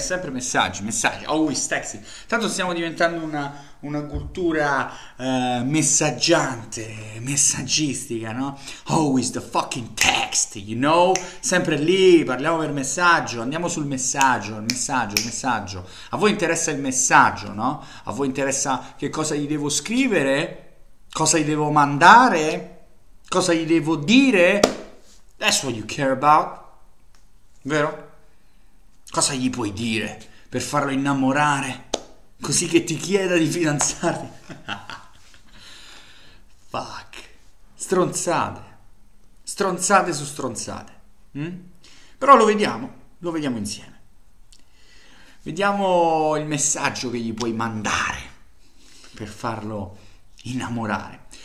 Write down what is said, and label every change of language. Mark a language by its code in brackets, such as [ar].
[it] Sempre messaggi, messaggi, [en] always texting. [it] Tanto stiamo diventando una cultura messaggiante, messaggistica, no? [en] Always the fucking text, you know? [it] Sempre lì, parliamo per messaggio, andiamo sul messaggio, il messaggio, il messaggio. A voi interessa il messaggio, no? A voi interessa che cosa gli devo scrivere? Cosa gli devo mandare? Cosa gli devo dire? [en] That's what you care about, vero? [it] Cosa gli puoi dire per farlo innamorare? Così che ti chieda di fidanzarti? Fuck. Stronzate. Stronzate su stronzate. Però lo vediamo insieme. Vediamo il messaggio che gli puoi mandare per farlo innamorare.